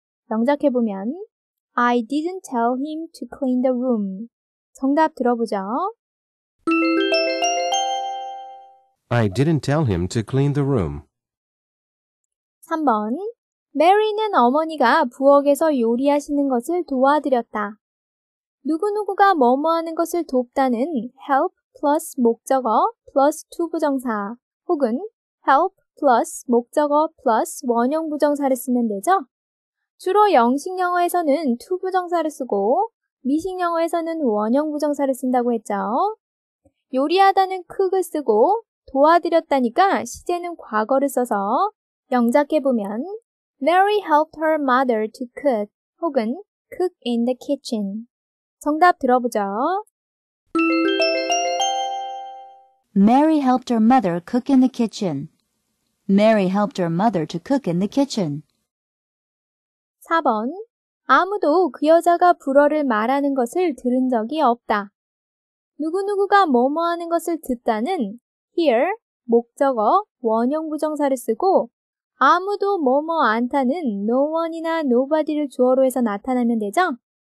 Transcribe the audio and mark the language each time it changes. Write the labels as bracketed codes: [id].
[ko] 명작해 보면 [en] I didn't tell him to clean the room. [ko] 정답 들어보죠. [en] I didn't tell him to clean the room. [ko] 3번. 메리는 어머니가 부엌에서 요리하시는 것을 도와드렸다. 누구누구가 뭐뭐 하는 것을 돕다는 help plus 목적어 plus 투부정사 혹은 help plus 목적어 plus 원형부정사를 쓰면 되죠. 주로 영식 영어에서는 투부정사를 쓰고 미식 영어에서는 원형부정사를 쓴다고 했죠. 요리하다는 cook을 쓰고 도와드렸다니까 시제는 과거를 써서 영작해 보면 [en] Mary helped her mother to cook [ko] 혹은 [en] cook in the kitchen. [ko] 정답 들어보죠. [en] Mary helped her mother cook in the kitchen. Mary helped her mother to cook in the kitchen. [ko] 4번. 아무도 그 여자가 불어를 말하는 것을 들은 적이 없다. 누구누구가 뭐뭐 하는 것을 듣다는 hear, 목적어, 원형부정사를 쓰고 아무도 뭐뭐 안다는 no one이나 nobody를 주어로 해서 나타나면 되죠.